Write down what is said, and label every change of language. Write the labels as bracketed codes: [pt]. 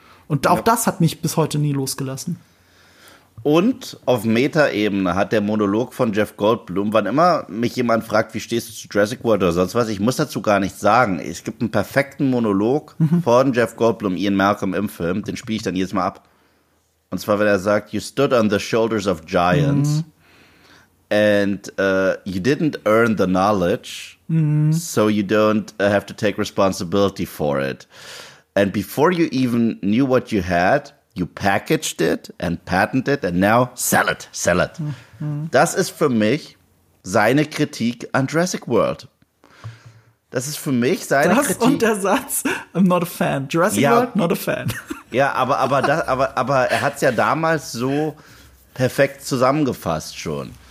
[de] Und auch das hat mich bis heute nie losgelassen. Und auf Metaebene hat der Monolog von Jeff Goldblum, wann immer mich jemand fragt, wie stehst du zu Jurassic World oder sonst was, ich muss dazu gar nichts sagen. Es gibt einen perfekten Monolog von Jeff Goldblum, Ian Malcolm im Film, den spiele ich dann jedes Mal ab. Und zwar, wenn er sagt, [en] you stood on the shoulders of giants and you didn't earn the knowledge, so you don't have to take responsibility for it. And before you even knew what you had, you packaged it and patented and now sell it, sell it. [de] Das ist für mich seine Kritik an Jurassic World. Das ist für mich seine das Kritik. Das und der Satz, [en] I'm not a fan. Jurassic World, not a fan. [de] Ja, aber er hat es ja damals so perfekt zusammengefasst schon.